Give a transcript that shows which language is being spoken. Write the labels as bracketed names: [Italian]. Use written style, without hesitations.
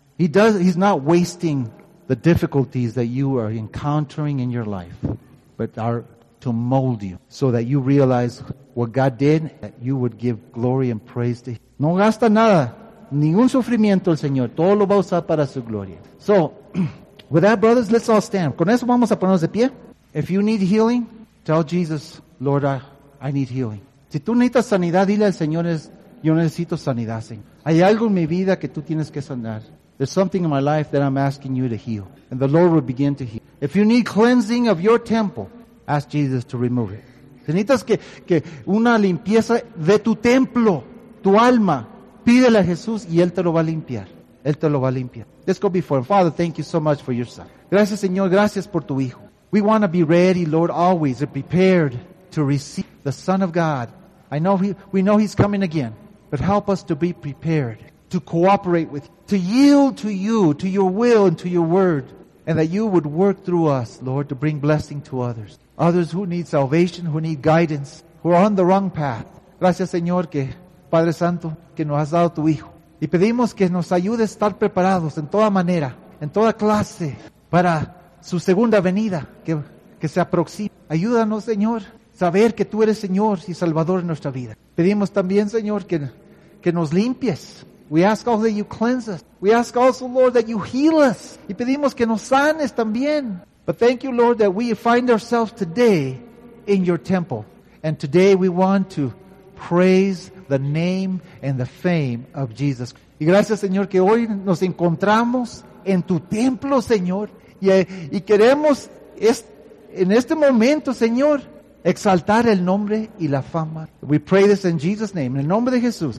[English] He's not wasting the difficulties that you are encountering in your life, but are to mold you so that you realize what God did, that you would give glory and praise to Him. [Spanish] No gasta nada. Ningún sufrimiento el Señor. Todo lo va a usar para su gloria. [English] So, with that, brothers, let's all stand. [Spanish] Con eso vamos a ponernos de pie. [English] If you need healing, tell Jesus, Lord, I need healing. [Spanish] Si tú necesitas sanidad, dile al Señor, yo necesito sanidad, Señor. Hay algo en mi vida que tú tienes que sanar. [English] There's something in my life that I'm asking you to heal. And the Lord will begin to heal. If you need cleansing of your temple, ask Jesus to remove it. [Spanish] Si necesitas que una limpieza de tu templo, tu alma, pídele a Jesús y Él te lo va a limpiar. Él te lo va a limpiar. [English] Let's go before Him. Father, thank you so much for your son. Gracias, Señor. Gracias por tu hijo. We want to be ready, Lord, always prepared to receive the Son of God. I know we know He's coming again, but help us to be prepared, to cooperate with you, to yield to you, to your will and to your word, and that you would work through us, Lord, to bring blessing to others. Others who need salvation, who need guidance, who are on the wrong path. [Spanish] Gracias, Señor, que Padre Santo, que nos has dado tu Hijo. Y pedimos que nos ayude a estar preparados en toda manera, en toda clase, para su segunda venida que se aproxima. Ayúdanos, Señor, saber que tú eres Señor y Salvador en nuestra vida. Pedimos también, Señor, que nos limpies. [English] We ask also that you cleanse us. We ask also, Lord, that you heal us. [Spanish] Y pedimos que nos sanes también. [English] But thank you, Lord, that we find ourselves today in your temple. And today we want to praise the name and the fame of Jesus. [Spanish] Y gracias, Señor, que hoy nos encontramos en tu templo, Señor. Y queremos en este momento, Señor, exaltar el nombre y la fama. [English] We pray this in Jesus' name. In the name of Jesus.